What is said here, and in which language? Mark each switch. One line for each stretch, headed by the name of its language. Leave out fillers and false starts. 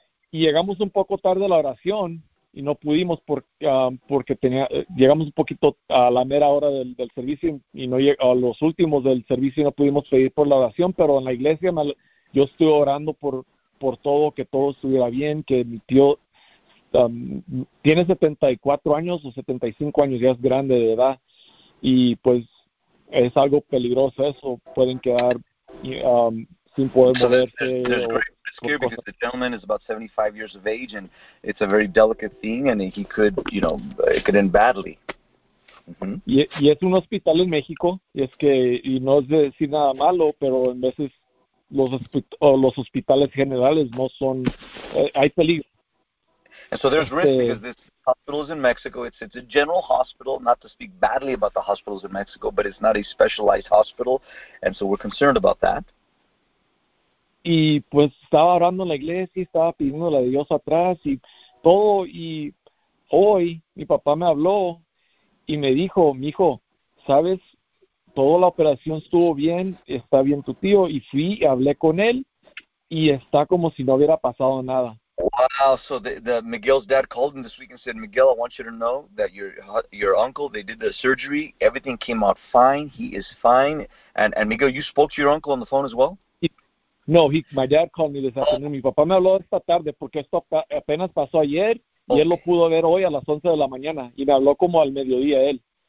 Spanish: Llegamos un poco tarde a la oración y no pudimos porque llegamos un poquito a la mera hora del servicio y no a los últimos del servicio y no pudimos pedir por la oración, pero en la iglesia yo estoy orando por todo, que todo estuviera bien, que mi tío tiene 74 años o 75 años, ya es grande de edad, y pues es algo peligroso eso, pueden quedar sin poder moverse.
English: Here because the gentleman is about 75 years of age and it's a very delicate thing and he could, you know, it could end badly. Mm-hmm.
Spanish: Y es un hospital en México y es que y no es decir nada malo, pero en veces los hospitales generales no son hay peligro.
English: And so there's risk because this hospital is in Mexico. It's a general hospital, not to speak badly about the hospitals in Mexico, but it's not a specialized hospital, and so we're concerned about that.
Spanish: Y pues estaba orando en la iglesia, estaba pidiéndole a Dios atrás y todo. Y hoy mi papá me habló y me dijo, mijo, ¿sabes? Toda la operación estuvo bien, está bien tu tío. Y fui, hablé con él y está como si no hubiera pasado nada.
English: Wow, so the Miguel's dad called him this week and said, Miguel, I want you to know that your uncle, they did the surgery. Everything came out fine. He is fine. And Miguel, you spoke to your uncle on the phone as well? No, my dad called me this afternoon.
Spanish: Mi papá me habló esta tarde porque esto apenas pasó ayer y él lo pudo ver hoy a las 11 de la mañana y me habló como al mediodía él.